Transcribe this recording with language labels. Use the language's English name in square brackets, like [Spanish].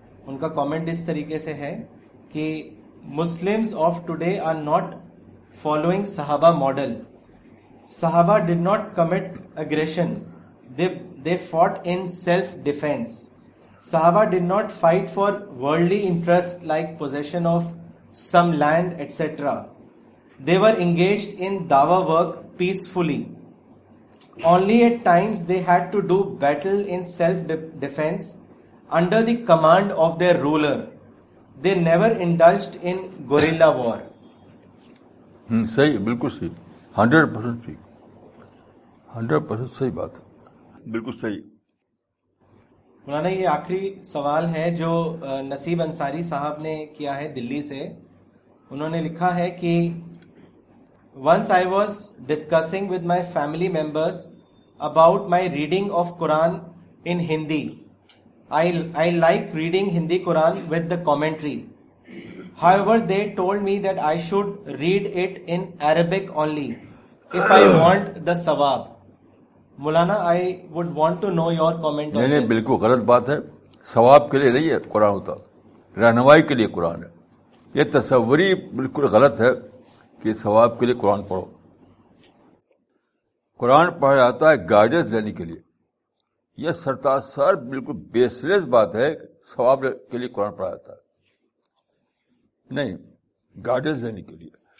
[Urdu] ان کا کامنٹ اس طریقے سے ہے کہ [English] Muslims of today are not following [Urdu] صحابہ ماڈل. [English] صحابہ did not commit aggression, they fought in self defence. صحابہ did not fight for worldly interest like position of some land etcetera. They were engaged in dawa work peacefully. Only at times they had to do battle in self-defense under the command of their ruler. They never indulged in guerrilla war. [Urdu] صحیح, بالکل صحیح, 100% صحیح, 100% صحیح بات ہے, بالکل صحیح. مولانا یہ آخری سوال ہے جو نصیب انصاری صاحب نے کیا ہے دلی سے. انہوں نے لکھا ہے کہ [English] Once I was discussing with my family members about my reading of Quran in Hindi. I like reading Hindi Quran with the commentary. However, they told me that I should read it in Arabic only if I want the sawab. Mulana, I would want to know your comment on this. [Urdu] نہیں, بالکل غلط بات ہے. سواب کے لیے نہیں ہے قرآن, ہوتا رہنمائی کے لیے قرآن ہے. یہ تصوری بالکل غلط ہے کہ ثواب کے لیے قرآن پڑھو. قرآن پڑھا جاتا ہے گائیڈنس لینے کے لیے. یہ سرتاسر بالکل بیس لیس بات ہے ثواب کے لیے قرآن پڑھا جاتا ہے, نہیں گائیڈنس لینے کے لیے.